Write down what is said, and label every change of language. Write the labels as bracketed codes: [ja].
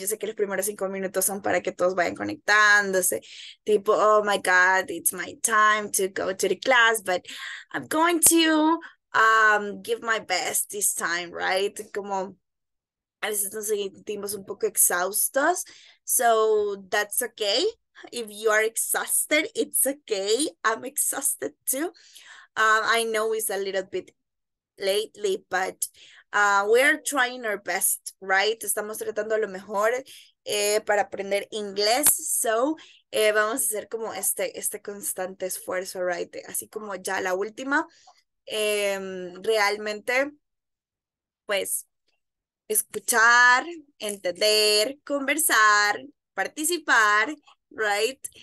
[es] Yo sé que los primeros 5 minutos son para que todos vayan conectándose. [en] Tipo, oh my God, it's my time to go to the class, but I'm going to give my best this time, right? [es] Como a veces nos sentimos un poco exhaustos, [en] so that's okay. If you are exhausted, it's okay. I'm exhausted too. I know it's a little bit lately, but we are trying our best, right? [es] Estamos tratando lo mejor para aprender inglés, so vamos a hacer como este constante esfuerzo, right? Así como ya la última, realmente, pues, escuchar, entender, conversar, participar, right?